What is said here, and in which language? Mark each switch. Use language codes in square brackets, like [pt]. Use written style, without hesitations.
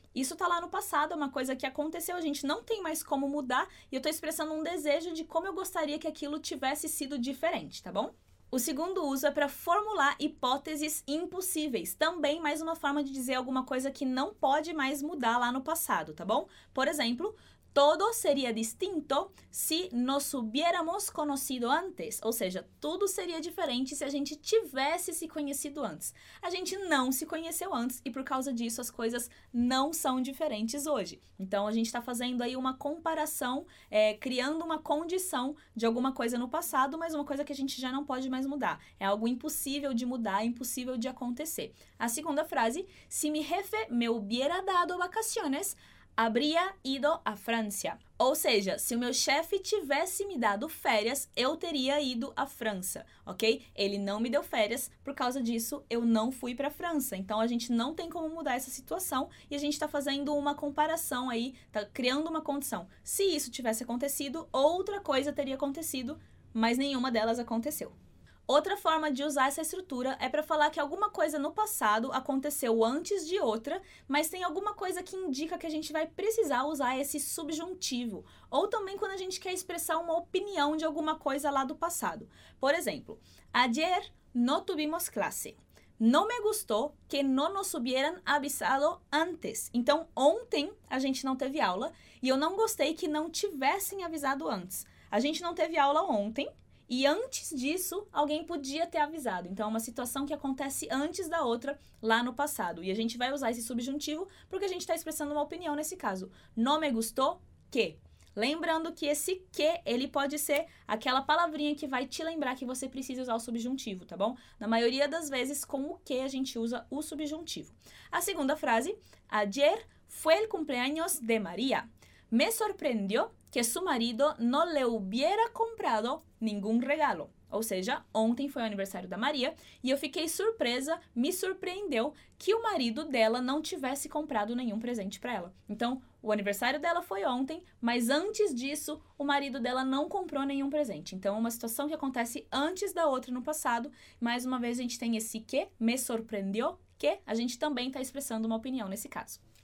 [pt] Isso está lá no passado, é uma coisa que aconteceu, a gente não tem mais como mudar e eu estou expressando um desejo de como eu gostaria que aquilo tivesse sido diferente, tá bom? O segundo uso é para formular hipóteses impossíveis, também mais uma forma de dizer alguma coisa que não pode mais mudar lá no passado, tá bom? Por exemplo, [es] todo seria distinto se nos hubiéramos conocido antes. [pt] Ou seja, tudo seria diferente se a gente tivesse se conhecido antes. A gente não se conheceu antes e por causa disso as coisas não são diferentes hoje. Então a gente está fazendo aí uma comparação, criando uma condição de alguma coisa no passado, mas uma coisa que a gente já não pode mais mudar. É algo impossível de mudar, impossível de acontecer. A segunda frase, [es] si mi jefe me hubiera dado vacaciones, habría ido a Francia. [pt] Ou seja, se o meu chefe tivesse me dado férias, eu teria ido à França, ok? Ele não me deu férias, por causa disso eu não fui para a França. Então a gente não tem como mudar essa situação e a gente está fazendo uma comparação aí, está criando uma condição. Se isso tivesse acontecido, outra coisa teria acontecido, mas nenhuma delas aconteceu. Outra forma de usar essa estrutura é para falar que alguma coisa no passado aconteceu antes de outra, mas tem alguma coisa que indica que a gente vai precisar usar esse subjuntivo. Ou também quando a gente quer expressar uma opinião de alguma coisa lá do passado. Por exemplo, [es] ayer no tuvimos clase. No me gustó que no nos hubieran avisado antes. [pt] Então, ontem a gente não teve aula e eu não gostei que não tivessem avisado antes. A gente não teve aula ontem. E antes disso, alguém podia ter avisado. Então, é uma situação que acontece antes da outra lá no passado. E a gente vai usar esse subjuntivo porque a gente está expressando uma opinião nesse caso. [es] No me gustó que. [pt] Lembrando que esse que, ele pode ser aquela palavrinha que vai te lembrar que você precisa usar o subjuntivo, tá bom? Na maioria das vezes, com o que a gente usa o subjuntivo. A segunda frase. [es] Ayer fue el cumpleaños de María. Me sorprendió que su marido no le hubiera comprado ningún regalo. [pt] Ou seja, ontem foi o aniversário da Maria e eu fiquei surpresa, me surpreendeu que o marido dela não tivesse comprado nenhum presente para ela. Então, o aniversário dela foi ontem, mas antes disso, o marido dela não comprou nenhum presente. Então, é uma situação que acontece antes da outra no passado. Mais uma vez, a gente tem esse que, me surpreendeu que, a gente também está expressando uma opinião nesse caso.